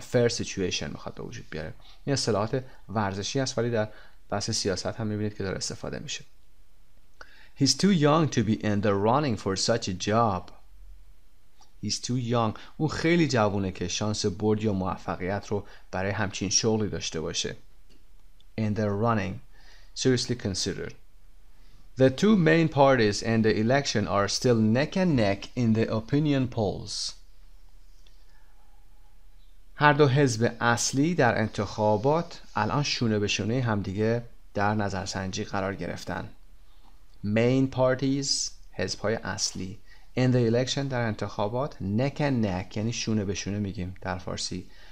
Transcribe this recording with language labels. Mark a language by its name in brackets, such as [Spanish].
[English] Fair situation [Persian] میخواد به وجود بیاره. این اصطلاحات ورزشی هست ولی در بحث سیاست هم میبینید که داره استفاده میشه. [English] He's too young to be in the running for such a job. He's too young. [Persian] اون خیلی جوونه که شانس برد یا موفقیت رو برای همچین شغلی داشته باشه. [English] In the running. Seriously considered. The two main parties in the election are still neck and neck in the opinion polls. [Persian] هر دو حزب اصلی در انتخابات الان شونه به شونه همدیگه در نظرسنجی قرار گرفتن. [English] Main parties، [Persian] حزب‌های اصلی. [English] In the election، [Persian] در انتخابات. [English] Neck and neck [Persian] یعنی شونه به شونه میگیم در فارسی.